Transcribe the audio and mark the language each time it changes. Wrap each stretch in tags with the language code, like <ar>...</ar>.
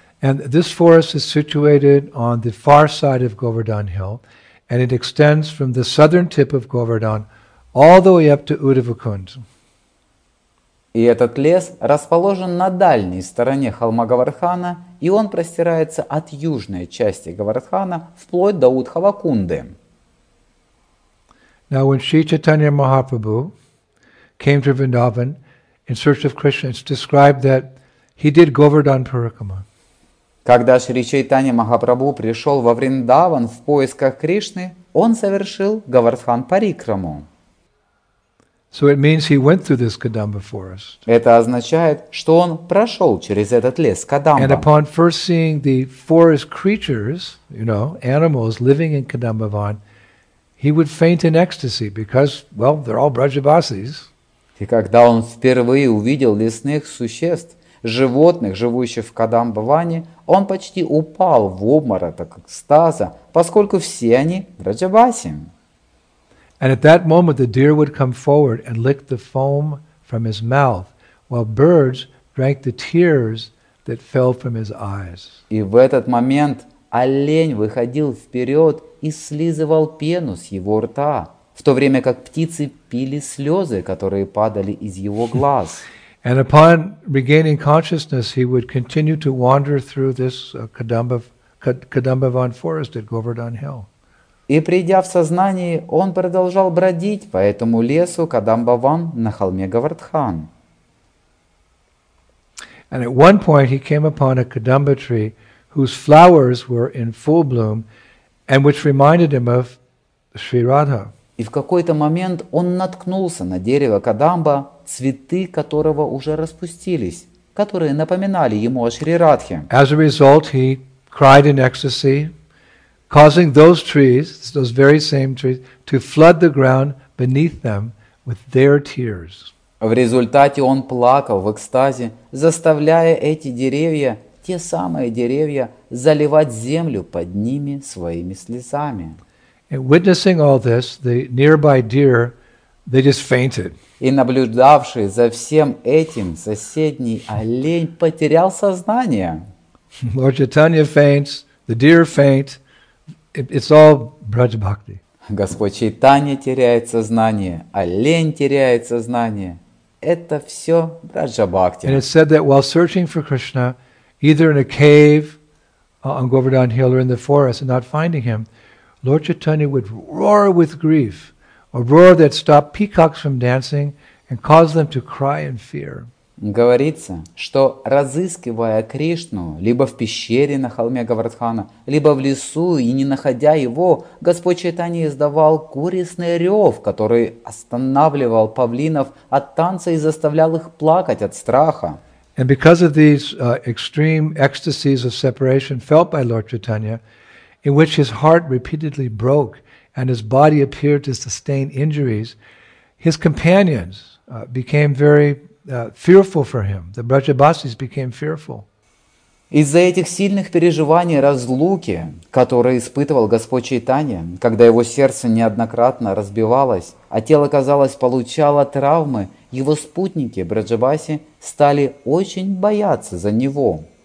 <en>And this forest is situated on the far side of Govardhan Hill, and it extends from the southern tip of Govardhan all the way up to Udavakund.</en> <ru>И этот лес расположен на дальней стороне холма Говардхана, и он простирается от южной части Говардхана вплоть до Удхавакунды.</ru> <en>Now, when Sri Chaitanya Mahaprabhu came to Vrindavan in search of Krishna, it's described that he did Govardhan Parikrama.</en> <ru>Когда Шри Чайтанья Махапрабху пришел во Вриндаван в поисках Кришны, он совершил Говардхан Парикраму.</ru> <en>So it means he went through this Kadamba forest.</en> <ru>Это означает, что он прошел через этот лес Кадамба.</ru> <en>And upon first seeing the forest creatures, you know, animals living in Kadambavan, he would faint in ecstasy because, well, they're all Brajavasis.</en> <ru>И когда он впервые увидел лесных существ, животных, живущих в Кадамбаване, он почти упал в обморок экстаза, поскольку все они Брадживаси.</ru> <en>And at that moment the deer would come forward and lick the foam from his mouth, while birds drank the tears that fell from his eyes.</en> <ru>И в этот момент олень выходил вперед и слизывал пену с его рта, в то время как птицы пили слезы, которые падали из его глаз.</ru> <en>And upon regaining consciousness, he would continue to wander through this Kadambavan forest at Govardhan Hill.</en> <ru>И придя в сознание, он продолжал бродить по этому лесу Кадамбаван на холме Говардхан.</ru> <en>And at one point he came upon a kadamba tree whose flowers were in full bloom and which reminded him of Sri Radha.</en> <ru>И в какой-то момент он наткнулся на дерево кадамба, цветы которого уже распустились, которые напоминали ему о Шри Радхе.</ru> <en>As a result, he cried in ecstasy, causing those trees, those very same trees, to flood the ground beneath them with their tears.</en> <ru>В результате он плакал в экстазе, заставляя эти деревья, те самые деревья, заливать землю под ними своими слезами.</ru> <en>And witnessing all this, the nearby deer, they just fainted.</en> <ru>И наблюдавший за всем этим соседний олень потерял сознание.</ru> <en>Lord Chaitanya faints, the deer faint. It's all Braj Bhakti.</en> <ru>Господь Чайтанья теряет сознание, олень теряет сознание. Это все Braj Bhakti.</ru> <en>And it's said that while searching for Krishna, either in a cave on Govardhan Hill or in the forest and not finding him, Lord Chaitanya would roar with grief, a roar that stopped peacocks from dancing and caused them to cry in fear.</en> <ru>Говорится, что разыскивая Кришну, либо в пещере на холме Говардхана, либо в лесу и не находя его, Господь Чайтанья издавал горестный рев, который останавливал павлинов от танца и заставлял их плакать от страха.</ru> <en>And because of these extreme ecstasies of separation felt by Lord Chaitanya, in which his heart repeatedly broke and his body appeared to sustain injuries, his companions became very fearful for him. The Brajabasis became fearful.</en> <ru>Из-за этих сильных переживаний разлуки, которые испытывал Господь Чайтанья, когда его сердце неоднократно разбивалось, а тело, казалось, получало травмы, его спутники, Браджабаси, стали очень бояться за него.</ru>